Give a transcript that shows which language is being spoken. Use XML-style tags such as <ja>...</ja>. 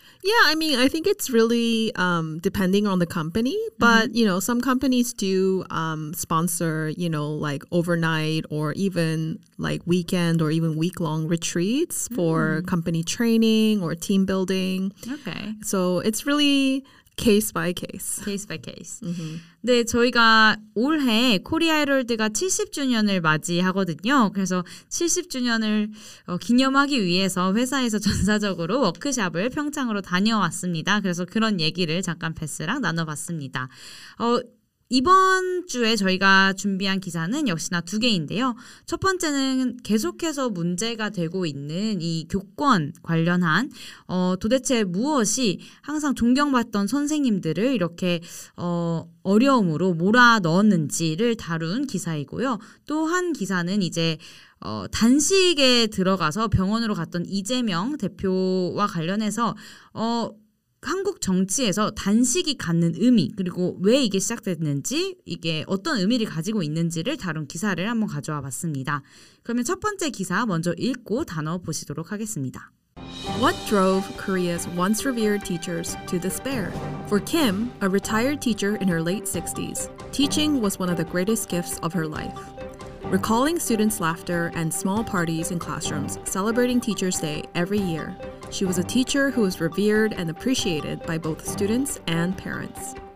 <en>Yeah, I mean, I think it's really depending on the company. But, you know, some companies do sponsor, you know, like overnight or even like weekend or even week-long retreats for company training or team building. Okay. So it's really case by case. Case by case. Mm-hmm.</en> <ko>네, 저희가 올해 코리아 헤럴드가 70주년을 맞이하거든요. 그래서 70주년을 기념하기 위해서 회사에서 전사적으로 워크샵을 평창으로 다녀왔습니다. 그래서 그런 얘기를 잠깐 베스랑 나눠봤습니다. 이번 주에 저희가 준비한 기사는 역시나 두 개인데요. 첫 번째는 계속해서 문제가 되고 있는 이 교권 관련한 도대체 무엇이 항상 존경받던 선생님들을 이렇게 어려움으로 몰아넣었는지를 다룬 기사이고요. 또 한 기사는 이제 단식에 들어가서 병원으로 갔던 이재명 대표와 관련해서 한국 정치에서 단식이 갖는 의미 그리고 왜 이게 시작됐는지 이게 어떤 의미를 가지고 있는지를 다룬 기사를 한번 가져와 봤습니다. 그러면 첫 번째 기사 먼저 읽고 단어 보시도록 하겠습니다.</ko> <en>What drove Korea's once revered teachers to despair? For Kim, a retired teacher in her late 60s, teaching was one of the greatest gifts of her life. Recalling students' laughter and small parties in classrooms, celebrating Teacher's Day every year, she was a teacher who was revered and appreciated by both students and parents.</en>